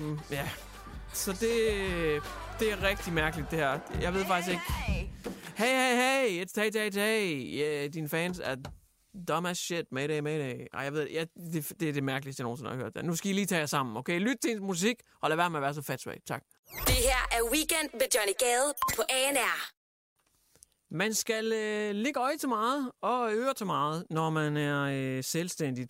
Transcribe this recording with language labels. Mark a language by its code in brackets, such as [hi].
[da] Ja. Så det er rigtig mærkeligt, det her. Jeg ved faktisk ikke. [en] Hey, hey, hey, it's Tay-Tay-Tay. Yeah, [da] dine fans er [en] dumb as shit. Mayday, mayday. [da] Ej, jeg ved det. Ja, det er det mærkeligste, jeg nogensinde har hørt. Nu skal I lige tage jer sammen, okay? Lyt til ens musik, og lad være med at være så fat svag. Tak. Det her er Weekend med Johnny Gale på ANR. Man skal ligge øje til meget og øre til meget, når man er selvstændig.